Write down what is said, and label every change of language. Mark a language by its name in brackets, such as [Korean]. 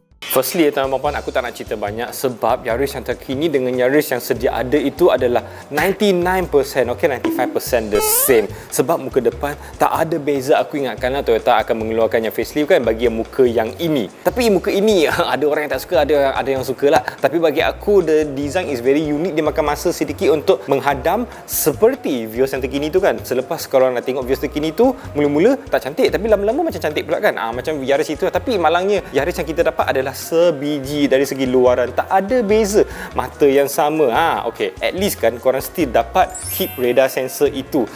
[Malay] Firstly, tuan-tuan dan puan, aku tak nak cerita banyak sebab Yaris yang terkini dengan Yaris yang sedia ada itu adalah 99%, [English] okay, 95% the same. [Malay] Sebab muka depan tak ada beza. Aku ingatkanlah Toyota akan mengeluarkan yang facelift kan bagi yang muka yang ini. Tapi muka ini, ada orang yang tak suka, ada yang suka lah. Tapi bagi aku, [English] the design is very unique. [Malay] Dia makan masa sedikit untuk menghadam seperti Vios yang terkini tu kan. Selepas kalau nak tengok Vios terkini tu, mula-mula tak cantik. Tapi lama-lama macam cantik pula kan. Macam Yaris itu. Tapi malangnya, Yaris yang kita dapat adalah sebiji dari segi luaran, tak ada beza, mata yang sama. [English] Okay, at least kan korang still dapat keep radar sensor itu.